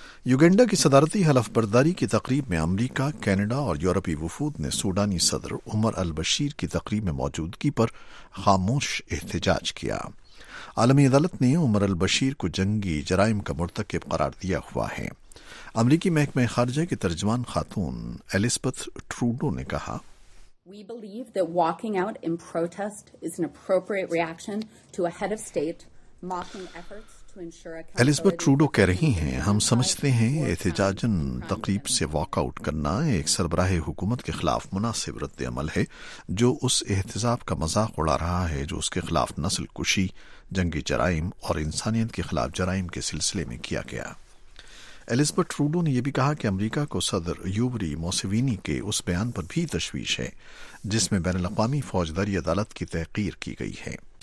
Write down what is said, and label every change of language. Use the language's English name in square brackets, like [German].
[Urdu] یوگنڈا کی صدارتی حلف برداری کی تقریب میں امریکہ، کینیڈا اور یورپی وفود نے سوڈانی صدر عمر البشیر کی تقریب میں موجودگی پر خاموش احتجاج کیا۔ عالمی عدالت نے عمر البشیر کو جنگی جرائم کا مرتکب قرار دیا ہوا ہے۔ امریکی محکمہ خارجہ کی ترجمان خاتون ایلسپتھ ٹروڈو نے کہا، [English] We believe that walking out in protest is an appropriate reaction to a head of state mocking efforts to ensure accountability۔ [Urdu] ایلسپتھ Trudeau کہہ رہی ہیں، ہم سمجھتے ہیں احتجاجن تقریب سے واک آؤٹ کرنا ایک سربراہ حکومت کے خلاف مناسب رد عمل ہے جو اس احتجاب کا مذاق اڑا رہا ہے جو اس کے خلاف نسل کشی، جنگی جرائم اور انسانیت کے خلاف جرائم کے سلسلے میں کیا گیا۔ ایلسپتھ ٹروڈو نے یہ بھی کہا کہ امریکہ کو صدر یوبری موسیوینی کے اس بیان پر بھی تشویش ہے جس میں بین الاقوامی فوجداری عدالت کی تحقیر کی گئی ہے۔